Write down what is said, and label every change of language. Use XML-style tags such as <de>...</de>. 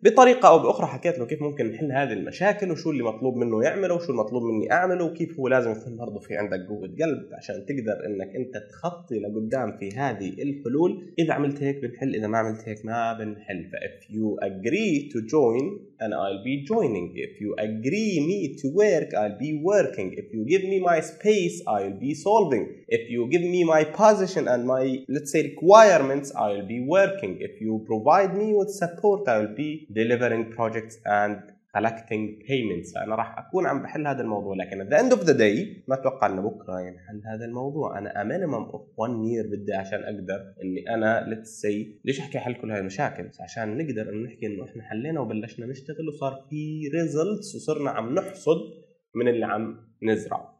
<ar>بطريقه او باخرى حكيت له كيف ممكن نحل هذه المشاكل، وشو اللي مطلوب منه يعمله، وشو المطلوب مني أعمله، وكيف هو لازم يكون برضو في عندك قوة قلب عشان تقدر إنك أنت تخطي لقدام في هذه الحلول. إذا عملت هيك بنحل، إذا ما عملت هيك ما بنحل.</ar> <en>فإف you agree to join</en> <ar>أنا</ar> <en>I'll be joining. If you agree me to work, I'll be working. If you give me my space, I'll be solving. If you give me my position and my, let's say, requirements, I'll be working. If you provide me with support, I'll be delivering projects and collecting payments.</en> <ar>فأنا راح أكون عم بحل هذا الموضوع، لكن</ar> <en>at the end of the day</en> <ar>ما أتوقع أنه بكرة ينحل هذا الموضوع. أنا</ar> <en>a minimum of one year</en> <ar>بدي عشان أقدر أني أنا</ar> <en>let's say،</en> <ar>ليش أحكي حل كل هذه المشاكل؟ عشان نقدر أن نحكي أنه إحنا حلينا وبلشنا نشتغل وصار في</ar> <en>results</en> <ar>وصرنا عم نحصد من اللي عم نزرع.</ar>